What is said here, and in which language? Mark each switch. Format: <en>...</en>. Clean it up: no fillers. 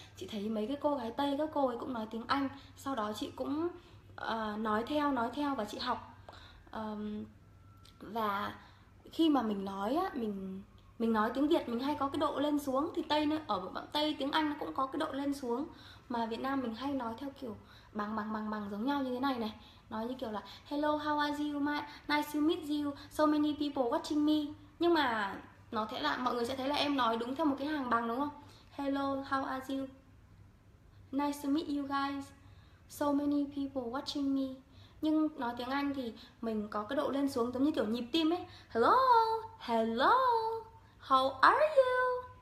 <vi>Chị thấy mấy cái cô gái Tây, các cô ấy cũng nói tiếng Anh, sau đó chị cũng nói theo và chị học. Và khi mà mình nói á, mình Mình nói tiếng Việt mình hay có cái độ lên xuống, thì Tây ở bảng Tây tiếng Anh nó cũng có cái độ lên xuống, mà Việt Nam mình hay nói theo kiểu bằng bằng bằng bằng giống nhau như thế này này. Nói như kiểu là</vi> <en>hello, how are you, my nice to meet you, so many people watching me.</en> <vi>Nhưng mà nó sẽ là mọi người sẽ thấy là em nói đúng theo một cái hàng bằng đúng không?</vi> <en>Hello, how are you? Nice to meet you guys. So many people watching me.</en> <vi>Nhưng nói tiếng Anh thì mình có cái độ lên xuống giống như kiểu nhịp tim ấy.</vi> <en>Hello, hello. How are you?</en>